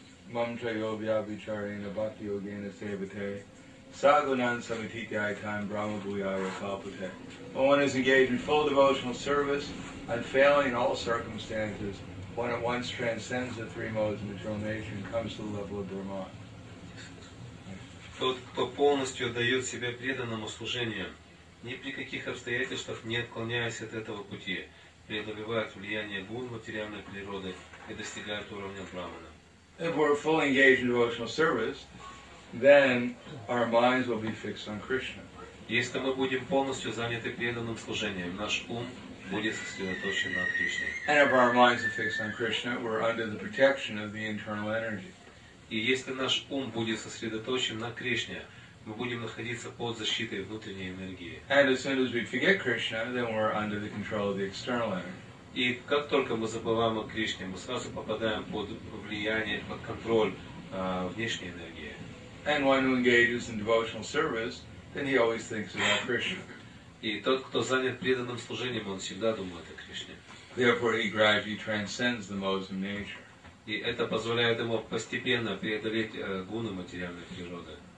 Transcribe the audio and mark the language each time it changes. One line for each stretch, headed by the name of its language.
English: When one is engaged in full devotional service, unfailing in all circumstances, one at once transcends the three modes of material nature and comes to the level of Brahma.
Russian: Тот, кто полностью отдает себя преданному служению, ни при каких обстоятельствах не отклоняясь от этого пути, преодолевает влияние гун материальной природы и достигает уровня брахмана.
English: If we're fully engaged in devotional service, then our minds will be fixed on Krishna.
Russian: Если мы будем полностью заняты преданным служением, наш ум будет сосредоточен на Кришне.
English: And if our minds are fixed on Krishna, we're under the protection of the internal energy.
Russian: И если наш ум будет сосредоточен на Кришне, мы будем находиться под защитой внутренней энергии.
English: And as soon as we forget Krishna, then we're under the control of the external energy.
Russian: И как только мы забываем о Кришне, мы сразу попадаем под влияние, под контроль внешней энергии.
English: And when one engages in devotional service, then he always thinks about Krishna.
Russian: И тот, кто занят преданным служением, он всегда думает о Кришне.
English: Therefore, he gradually transcends the modes of nature.
Russian: И это позволяет ему постепенно преодолеть гуны материальной природы.